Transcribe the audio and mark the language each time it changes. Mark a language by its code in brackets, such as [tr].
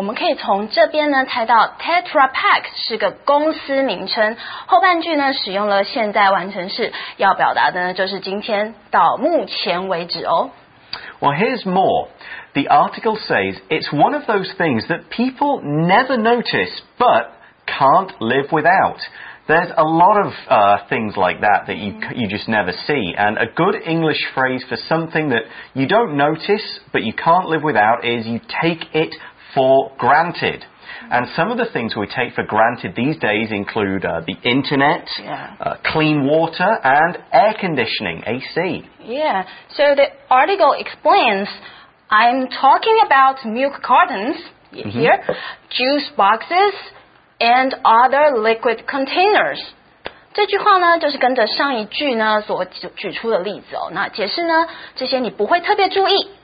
[zh] 那我们可以从这边呢猜到 Tetra Pak 是个公司名称，后半句呢使用了现在完成式， 要表达的呢就是今天到目前为止哦。 [en] Well, here's more. The article says it's one of those things that people never notice but can't live without. There's a lot of things like that that you just never see. And a good English phrase for something that you don't notice but you can't live without is you take it for granted. And some of the things we take for granted these days include the internet, clean water, and air conditioning, AC. Yeah, so the article explains, I'm talking about milk cartons here, juice boxes, and other liquid containers. [zh] 这句话呢，就是跟着上一句呢所举出的例子哦。那解释呢，这些你不会特别注意。